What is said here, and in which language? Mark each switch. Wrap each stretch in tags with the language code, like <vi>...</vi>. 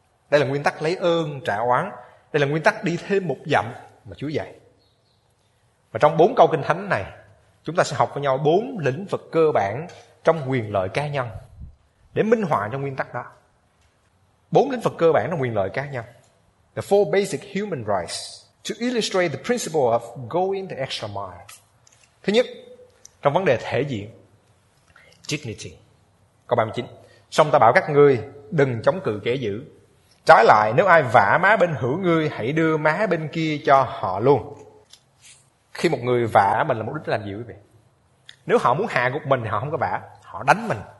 <vi>Đây là nguyên tắc lấy ơn trả oán. Đây là nguyên tắc đi thêm một dặm mà Chúa dạy. Và trong bốn câu kinh thánh này, chúng ta sẽ học với nhau bốn lĩnh vực cơ bản trong quyền lợi cá nhân, để minh họa cho nguyên tắc đó. Bốn lĩnh vực cơ bản trong quyền lợi cá nhân.</vi> <en>The four basic human rights to illustrate the principle of going the extra mile.</en> <vi>Thứ nhất, trong vấn đề thể diện, dignity. Câu 39. Song ta bảo các ngươi đừng chống cự kẻ dữ. Trái lại, nếu ai vả má bên hữu ngươi, hãy đưa má bên kia cho họ luôn. Khi một người vả mình là mục đích làm gì quý vị? Nếu họ muốn hạ gục mình thì họ không có vả, họ đánh mình.</vi>